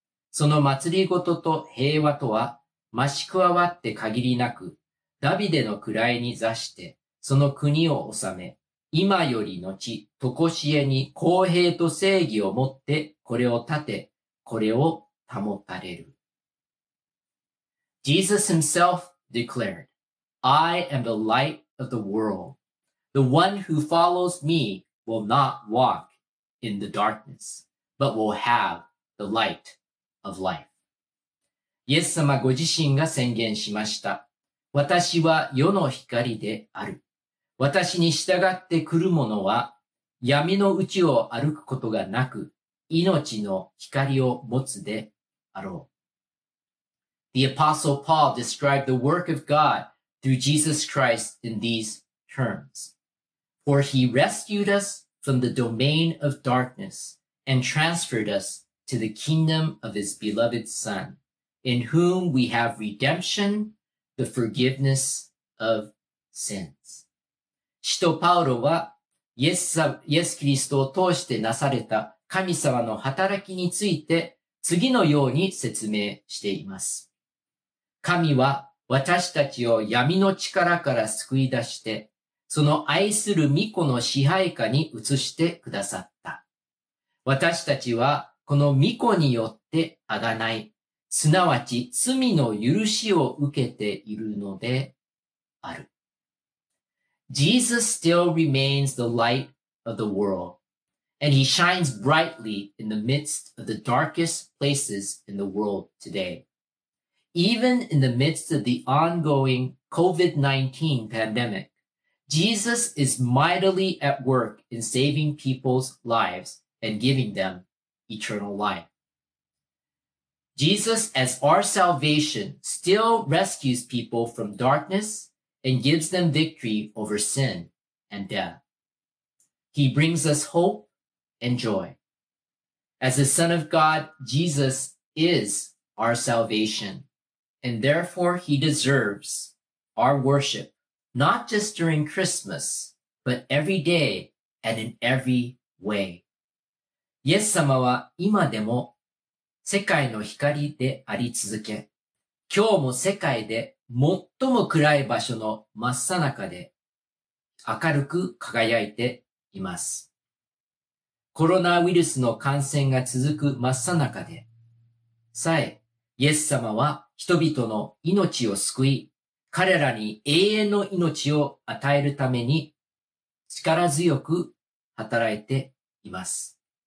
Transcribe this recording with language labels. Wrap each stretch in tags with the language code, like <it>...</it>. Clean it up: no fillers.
<ja>その祭りごとと平和とは、増し加わって限りなく、ダビデの位に座して、その国を治め、今より後、とこしえに公平と正義をもって、これを立て、これを保たれる。</ja> <en>Jesus himself declared,I am the light of the world. The one who follows me will not walk in the darkness, but will have the light of life.</en> <ja>イエス様ご自身が宣言しました。私は世の光である。私に従って来る者は闇の内を歩くことがなく、命の光を持つであろう。</ja> <en>The Apostle Paul described the work of God through Jesus Christ in these terms. For he rescued us from the domain of darkness and transferred us to the kingdom of his beloved Son, in whom we have redemption, the forgiveness of sins.</en> <ja>使徒パウロはイエスキリストを通してなされた神様の働きについて次のように説明しています。神は私たちを闇の力から救い出して、その愛する御子の支配下に移してくださった。私たちはこの御子によって贖い、すなわち罪の許しを受けているのである。</ja> <en>Jesus still remains the light of the world, and he shines brightly in the midst of the darkest places in the world today. Even in the midst of the ongoing COVID-19 pandemic, Jesus is mightily at work in saving people's lives and giving them eternal life. Jesus, as our salvation, still rescues people from darkness and gives them victory over sin and death. He brings us hope and joy. As the Son of God, Jesus is our salvation. And therefore, he deserves our worship, not just during Christmas, but every day and in every way.</en> <ja>イエス様は今でも世界の光であり続け、今日も世界で最も暗い場所の真っ最中で明るく輝いています。コロナウイルスの感染が続く真っ最中でさえ、イエス様は人々の命を救い、彼らに永遠の命を与えるために力強く働いています。</ja>